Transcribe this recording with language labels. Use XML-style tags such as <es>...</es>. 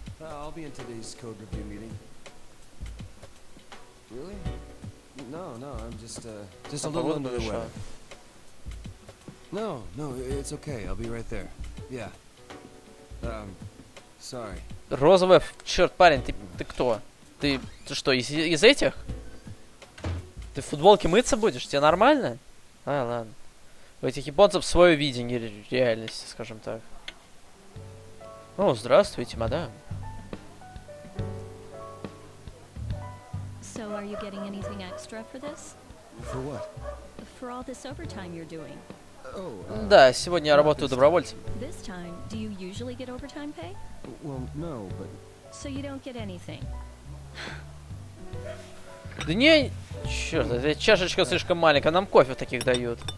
<en>I'll be in today's code review meeting. Really? No, I'm just a little under the weather. No, it's okay, I'll be right there. Yeah. Sorry.</en> <ru>Розовый, черт, парень, ты кто? Ты что, из этих? Ты в футболке мыться будешь? Тебе нормально? А, ладно. У этих японцев свое видение реальности, скажем так. О, здравствуйте, мадам.</ru> <en>So are you getting anything extra for this? For what? For all this overtime you're doing.</en> <ru>Да, сегодня я работаю добровольцем.</ru> <en>This time, do you usually get overtime pay? Well, no, but... So you don't get anything?</en> <ru>Да не... Чёрт, эта чашечка слишком маленькая, нам кофе таких дают.</ru>